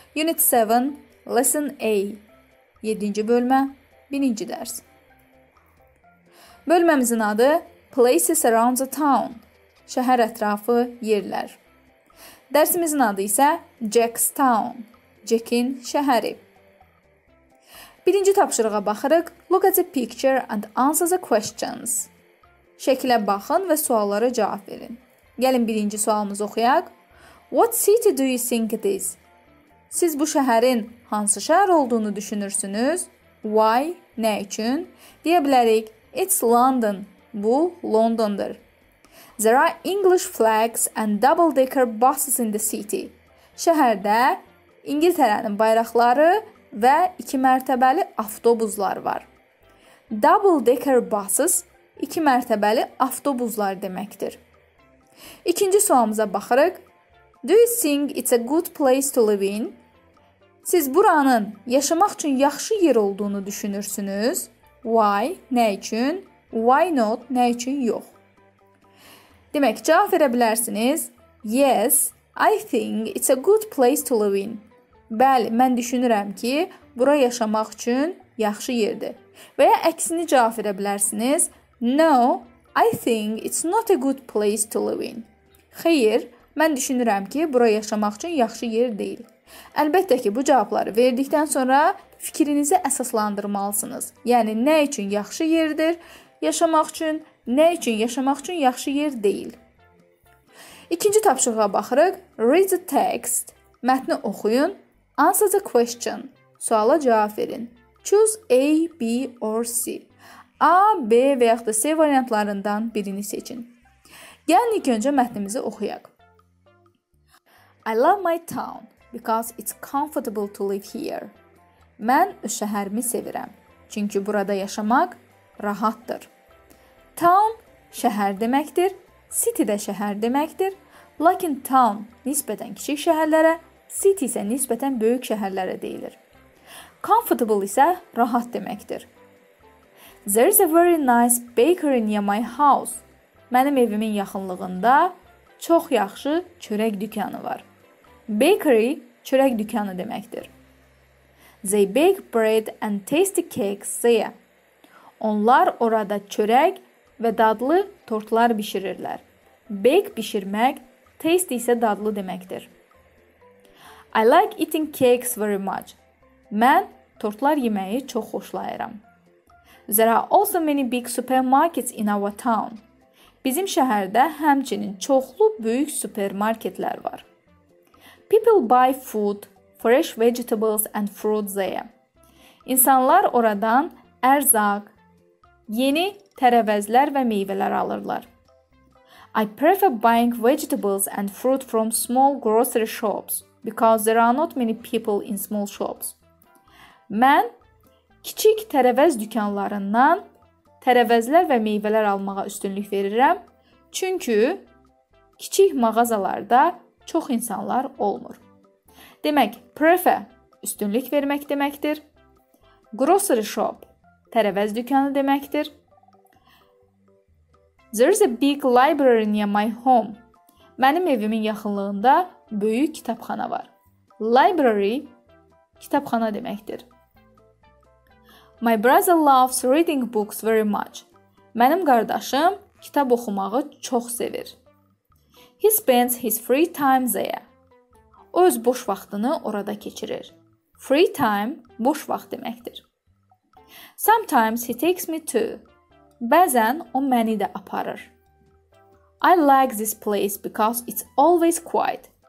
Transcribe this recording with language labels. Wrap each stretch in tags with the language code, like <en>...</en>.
<en>Unit 7, Lesson A.</en> <az>7-ci bölmə, 1-ci dərs. Bölməmizin adı</az> <en>Places Around the Town.</en> <az>Şəhər ətrafı yerlər. Dərsimizin adı isə Jack's Town. Jack'in şəhəri. Birinci tapşırığa baxırıq.</az> <en>Look at the picture and answer the questions.</en> <az>Şəkilə baxın və suallara cavab verin. Gəlin birinci sualımızı oxuyaq.</az> <en>What city do you think it is?</en> <az>Siz bu şəhərin hansı şəhər olduğunu düşünürsünüz?</az> <en>Why?</en> <az>Nə üçün? Deyə bilərik,</az> <en>it's London.</en> <az>Bu, Londondur.</az> <en>There are English flags and double-decker buses in the city.</en> <az>Şəhərdə İngiltərənin bayraqları və iki mərtəbəli avtobuslar var.</az> <en>Double-decker buses</en> <az>İki mərtəbəli avtobuslar deməkdir. İkinci sualımıza baxırıq.</az> <en>Do you think it's a good place to live in?</en> <az>Siz buranın yaşamaq üçün yaxşı yer olduğunu düşünürsünüz?</az> <en>Why?</en> <az>Nə üçün?</az> <en>Why not?</en> <az>Nə üçün yox? Demək, cavab verə bilərsiniz.</az> <en>Yes, I think it's a good place to live in.</en> <az>Bəli, mən düşünürəm ki, bura yaşamaq üçün yaxşı yerdir. Və ya əksini cavab verə bilərsiniz.</az> <en>No, I think it's not a good place to live in.</en> <az>Xeyr, mən düşünürəm ki, bura yaşamaq üçün yaxşı yer deyil. Əlbəttə ki, bu cavabları verdikdən sonra fikrinizi əsaslandırmalısınız. Yəni, nə üçün yaxşı yerdir yaşamaq üçün, nə üçün yaşamaq üçün yaxşı yer deyil. İkinci tapşırığa baxırıq.</az> <en>Read the text.</en> <az>Mətni oxuyun.</az> <en>Answer the question.</en> <az>Suala cavab verin.</az> <en>Choose A, B or C.</en> <az>A, B və yaxud da C variantlarından birini seçin. Gəlin ilk öncə mətnimizi oxuyaq.</az> <en>I love my town because it's comfortable to live here.</en> <az>Mən öz şəhərimi sevirəm, çünki burada yaşamaq rahatdır. Town şəhər deməkdir, city də şəhər deməkdir. Lakin town nisbətən kiçik şəhərlərə, city isə nisbətən böyük şəhərlərə deyilir. Comfortable isə rahat deməkdir.</az> <en>There is a very nice bakery near my house.</en> <az>Mənim evimin yaxınlığında çox yaxşı çörək dükkanı var. Bakery çörək dükkanı deməkdir.</az> <en>They bake bread and tasty cakes there.</en> <az>Onlar orada çörək və dadlı tortlar bişirirlər. Bake bişirmək, tasty isə dadlı deməkdir.</az> <en>I like eating cakes very much.</en> <az>Mən tortlar yeməyi çox xoşlayıram.</az> <en>There are also many big supermarkets in our town.</en> <az>Bizim şəhərdə həmçinin çoxlu böyük supermarketlər var.</az> <en>People buy food, fresh vegetables and fruit there.</en> <az>İnsanlar oradan ərzaq, yeni tərəvəzlər və meyvələr alırlar.</az> <en>I prefer buying vegetables and fruit from small grocery shops because there are not many people in small shops.</en> <az>Mən kiçik tərəvəz dükkanlarından tərəvəzlər və meyvələr almağa üstünlük verirəm, çünki kiçik mağazalarda çox insanlar olmur. Demək, prefer üstünlük vermək deməkdir. Grocery shop tərəvəz dükkanı deməkdir.</az> <en>There is a big library near my home.</en> <az>Mənim evimin yaxınlığında böyük kitabxana var. Library kitabxana deməkdir.</az> <en>My brother loves reading books very much.</en> <az>Mənim qardaşım kitab oxumağı çox sevir.</az> <en>He spends his free time there.</en> <az>O öz boş vaxtını orada keçirir. Free time boş vaxt deməkdir.</az> <en>Sometimes he takes me too.</en> <az>Bəzən o məni də aparır.</az> <en>I like this place because it's always quiet.</en>